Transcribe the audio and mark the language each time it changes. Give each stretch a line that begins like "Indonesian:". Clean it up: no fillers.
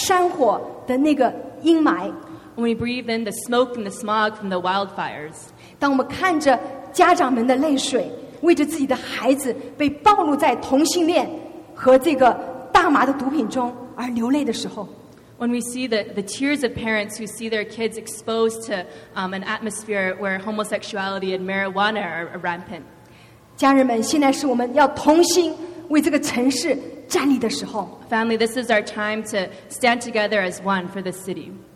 Chinese: 当我们呼吸着空气中弥漫着的这个远近的山火的那个阴霾。
English: When we breathe in the smoke and the smog from the wildfires.
Chinese: 当我们看着家长们的泪水, 为着自己的孩子被暴露在同性恋和这个大麻的毒品中而流泪的时候,
English: when we see the tears of parents who see their kids exposed to an atmosphere where homosexuality and marijuana are rampant.
Chinese: 家人们,现在是我们要同心为这个城市站立的时候。
English: Family, this is our time to stand together as one for the city.